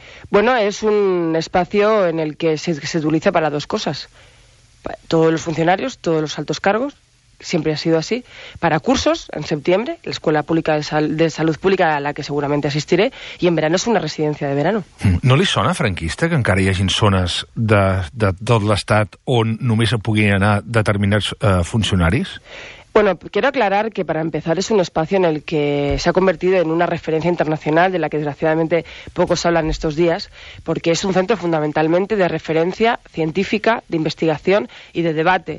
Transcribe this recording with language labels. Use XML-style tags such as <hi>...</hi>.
<es>Bueno, es un espacio en el que se utiliza para dos cosas. Todos los funcionarios, todos los altos cargos, siempre ha sido así, para cursos en septiembre, la Escuela Pública de Salud Pública a la que seguramente asistiré, y en verano es una residencia de verano.</es> <ca>¿No li sona franquista que encara hi hagin zones de tot l'estat on només se puguin anar determinats funcionaris?</ca> <es>Bueno, quiero aclarar que para empezar es un espacio en el que se ha convertido en una referencia internacional de la que desgraciadamente pocos hablan estos días, porque es un centro fundamentalmente de referencia científica, de investigación y de debate.</es>